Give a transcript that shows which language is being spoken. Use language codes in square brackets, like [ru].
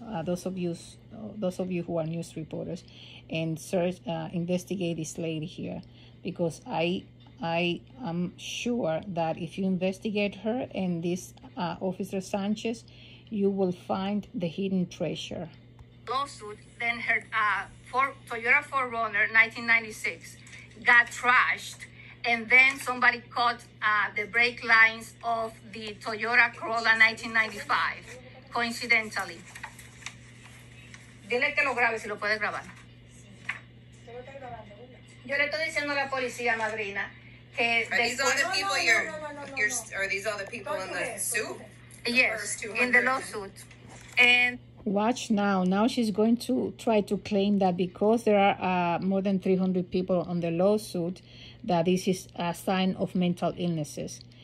[en] Those of you who are news reporters, and search, investigate this lady here, because I am sure that if you investigate her and this Officer Sanchez, you will find the hidden treasure. Lawsuit, then her Toyota 4Runner 1996 got trashed, and then somebody caught the brake lines of the Toyota Corolla 1995, coincidentally. [es] Dile que lo grabe, si lo puedes grabar. Yo le estoy diciendo a la policía, madrina, que... [en] Are these all the people in the suit? Yes, in the lawsuit. And watch now. Now she's going to try to claim that because there are more than 300 people on the lawsuit, that this is a sign of mental illnesses.